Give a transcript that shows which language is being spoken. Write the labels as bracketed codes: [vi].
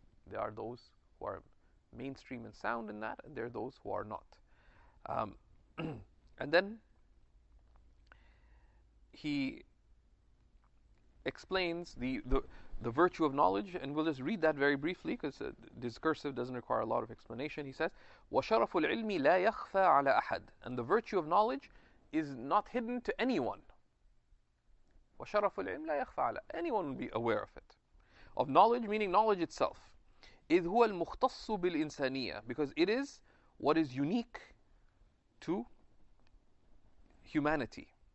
[en] There are those who are mainstream and sound in that, and there are those who are not. and then he explains the virtue of knowledge, and we'll just read that very briefly because discursive doesn't require a lot of explanation. He says, [ar] وَشَرَفُ الْعِلْمِ لَا يَخْفَى عَلَى أَحَدٍ. [en] And the virtue of knowledge is not hidden to anyone. [ar] وَشَرَفُ الْعِلْمِ لَا يَخْفَى عَلَى. [en] Anyone will be aware of it. Of knowledge, meaning knowledge itself. [ar] إِذْ هُوَ الْمُخْتَصُّ بِالْإِنسَانِيَّةِ. [en] Because it is what is unique to humanity.